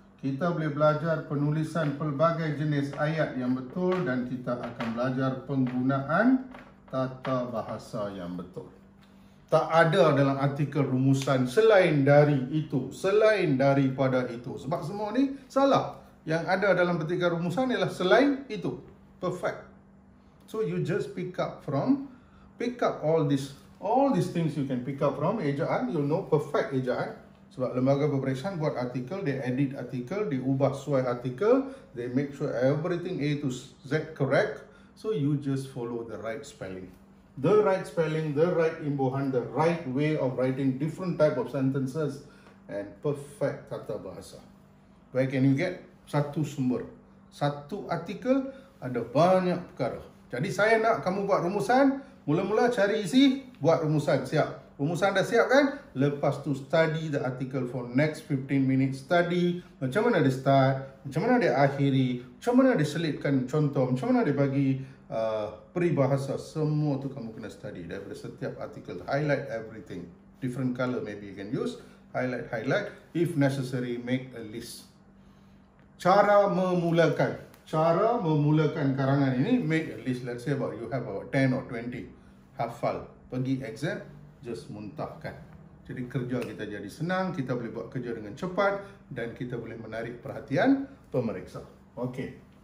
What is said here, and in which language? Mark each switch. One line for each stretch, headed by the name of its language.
Malay: Kita boleh belajar penulisan pelbagai jenis ayat yang betul. Dan kita akan belajar penggunaan tata bahasa yang betul. Tak ada dalam artikel rumusan selain dari itu, selain daripada itu. Sebab semua ni salah. Yang ada dalam petikan rumusan ialah selain itu.
English: Perfect. So you just pick up all this. All these things you can pick up from ejaan, you'll know perfect ejaan.
Malay: Sebab lembaga peperiksaan buat artikel,
English: they edit artikel, they
Malay: ubah sesuai artikel,
English: they make sure everything A to Z correct. So you just follow the right spelling. The right spelling, the right imbuhan, the right way of writing different type of sentences and perfect tata bahasa. Where can you get?
Malay: Satu sumber. Satu artikel, ada banyak perkara. Jadi saya nak kamu buat rumusan, mula-mula cari isi, buat rumusan, siap. Rumusan dah siap kan? Lepas tu
English: study the article for next 15 minutes.
Malay: Study macam mana dia start, macam mana dia akhiri, macam mana dia selitkan contoh, macam mana dia bagi peribahasa. Semua tu kamu kena study daripada setiap artikel.
English: Highlight everything. Different color maybe you can use. Highlight, highlight. If necessary, make a list.
Malay: Cara memulakan. Cara memulakan karangan ini,
English: make a list. Let's say about you have about 10 or 20.
Malay: Hafal. Pergi exam. Just muntahkan. Jadi kerja kita jadi senang, kita boleh buat kerja dengan cepat dan kita boleh menarik perhatian pemeriksa. Okey.